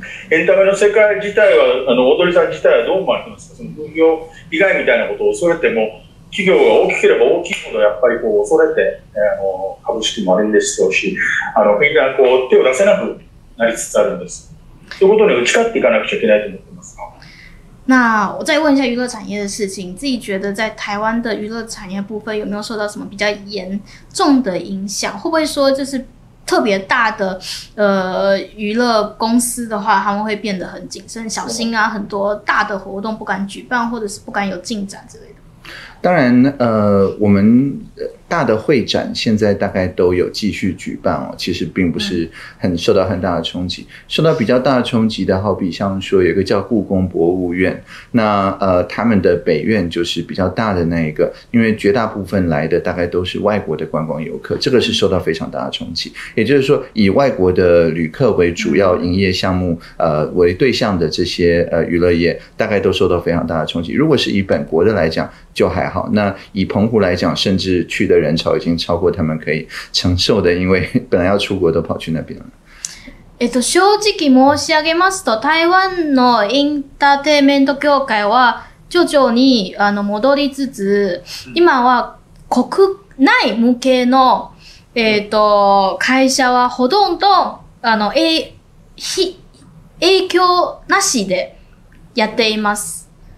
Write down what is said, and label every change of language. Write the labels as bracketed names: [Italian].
[Japanese] エンタメの世界自体は、あの踊りさん自体はどう思われてますか、その分業以外みたいなことを恐れても、企業が大きければ大きいほどやっぱりこう恐れて、株式もあれでしょうし、あのみんなこう手を出せなくなりつつあるんです。そういうことに打ち勝っていかなくちゃいけないと思ってますか。 [Chinese] 那我再问一下娱乐产业的事情，自己觉得在台湾的娱乐产业部分有没有受到什么比较严重的影响？会不会说就是特别大的娱乐公司的话，他们会变得很谨慎小心啊，很多大的活动不敢举办，或者是不敢有进展之类的？当然，我们大的会展现在大概都有继续举办哦，其实并不是很受到很大的冲击。受到比较大的冲击的，好比像说有一个叫故宫博物院，那他们的北院就是比较大的那一个，因为绝大部分来的大概都是外国的观光游客，这个是受到非常大的冲击。也就是说，以外国的旅客为主要营业项目为对象的这些娱乐业，大概都受到非常大的冲击。如果是以本国的来讲，就还好。那以澎湖来讲，甚至去的人潮已经超过他们可以承受的，因为本来要出国都跑去那边了。 [Japanese] 正直申し上げますと、台湾のエンターテインメント協会は徐々に戻りつつ、今は国内向けの会社はほとんど影響なしでやっています。